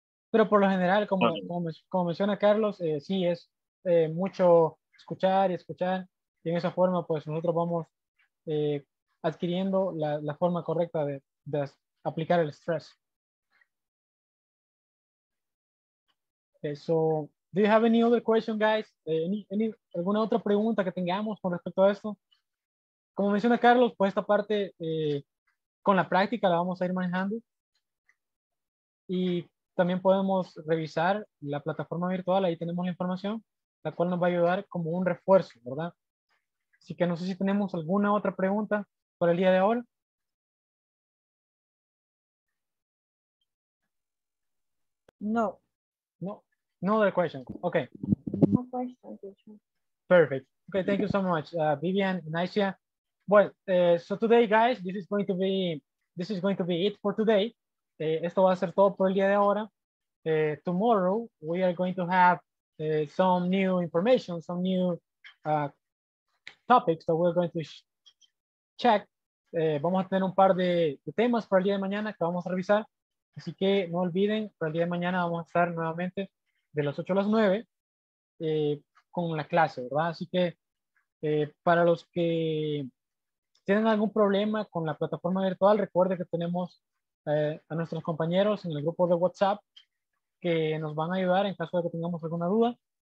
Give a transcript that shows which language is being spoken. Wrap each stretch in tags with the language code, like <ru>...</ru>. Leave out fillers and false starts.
<es>Pero por lo general, como menciona Carlos, sí, es mucho escuchar. Y en esa forma, pues nosotros vamos adquiriendo la forma correcta de aplicar el stress.</es> <en>So, do you have any other question, guys?</en> <es>¿Alguna otra pregunta que tengamos con respecto a esto? Como menciona Carlos, pues esta parte con la práctica la vamos a ir manejando. Y también podemos revisar la plataforma virtual, ahí tenemos la información, la cual nos va a ayudar como un refuerzo, ¿verdad? Así que no sé si tenemos alguna otra pregunta para el día de ahora. No.</es> <en>No other question. Okay. No question, teacher. Perfect. Okay, thank you so much, Vivian and Aisha. Well, so today, guys, this is going to be it for today.</en> <es>Esto va a ser todo por el día de ahora.</es> <en>Tomorrow, we are going to have some new information, some new topics that we're going to check.</en> <es>Vamos a tener un par de temas para el día de mañana que vamos a revisar. Así que no olviden, para el día de mañana vamos a estar nuevamente de las 8 a las 9 con la clase, ¿verdad? Así que para los que tienen algún problema con la plataforma virtual, recuerden que tenemos a nuestros compañeros en el grupo de WhatsApp que nos van a ayudar en caso de que tengamos alguna duda.</es>